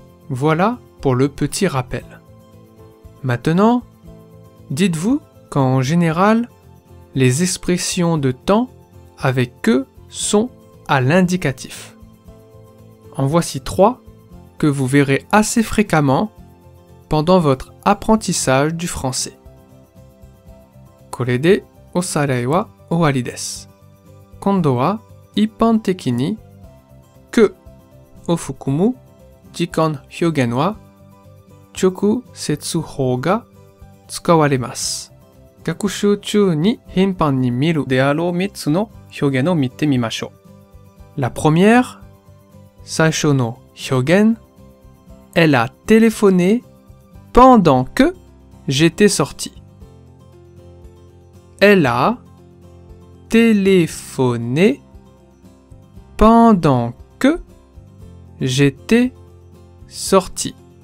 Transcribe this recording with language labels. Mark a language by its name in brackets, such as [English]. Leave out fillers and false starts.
[French] Voilà pour le petit rappel. Maintenant, dites-vous qu'en général, les expressions de temps avec que sont à l'indicatif. En voici trois que vous verrez assez fréquemment pendant votre apprentissage du français. [Japanese] これでおさらいは終わりです。今度は一般的に que を含む時間表現は直接法が使われます。学習中に頻繁に見るであろう3つの表現を見てみましょう。 [French] La première, [Japanese] 最初の表現、 [French] Elle a téléphoné pendant que j'étais sorti. Elle a téléphoné pendant que j'étais sorti.